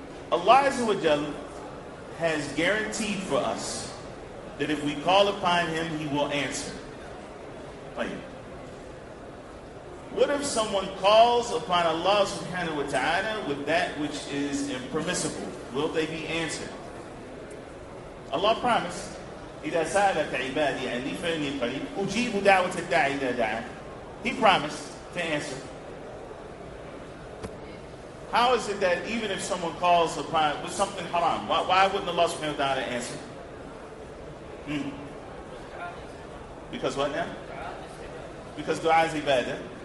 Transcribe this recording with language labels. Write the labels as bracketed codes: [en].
[en] Allah azza wa jal has guaranteed for us that if we call upon Him, He will answer. What if someone calls upon Allah subhanahu wa ta'ala with that which is impermissible? Will they be answered? [ar] Allah promised, إِذَا سَأَلَكَ عِبَادِي عَنِّي فَإِنِّي قَرِيبٌ أُجِيبُ دَعْوَةَ الدَّاعِ إِذَا دَعَانِ. [en] He promised to answer. How is it that even if someone calls upon with something haram, why wouldn't Allah subhanahu wa ta'ala answer? Because what now? Because dua is ibadah.